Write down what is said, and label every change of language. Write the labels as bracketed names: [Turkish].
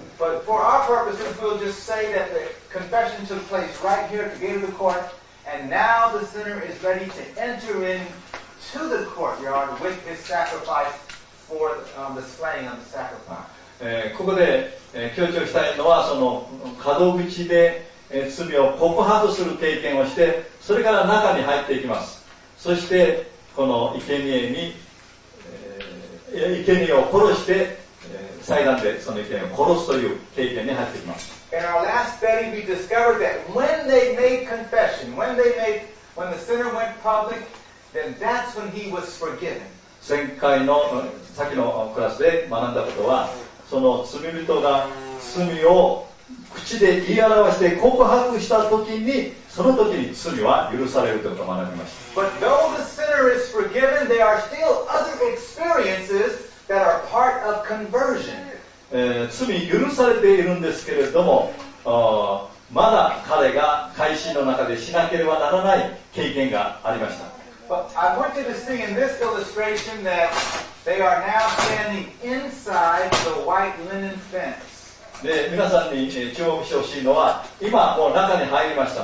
[English] But for our purposes, we'll just say that the confession took place right here at the gate of the court, and now the sinner is ready to enter into the courtyard with his sacrifice for the slaying of the sacrifice. [Japanese] ここで、強調したいのはその門口で、罪を告白する経験をして、それから中に入っていきます。そしてこの生贄を殺して、祭壇でその生贄を殺すという経験に入っていきます。 [English] In our last study we discovered that when they made confession, when the sinner went public, then that's when he was forgiven. [Japanese] 前回の先のクラスで学んだことは、その罪人が罪を口で言い表して告白したときに、そのときに罪は許されるということを学びました。 [English] But though the sinner is forgiven, there are still other experiences that are part of conversion. [Japanese] 罪許されているんですけれども、まだ彼が改心の中でしなければならない経験がありました。 [English] But I want you to see in this illustration that they are now standing inside the white linen fence. [Japanese] で、皆さんに注目してほしいのは、今もう中に入りました。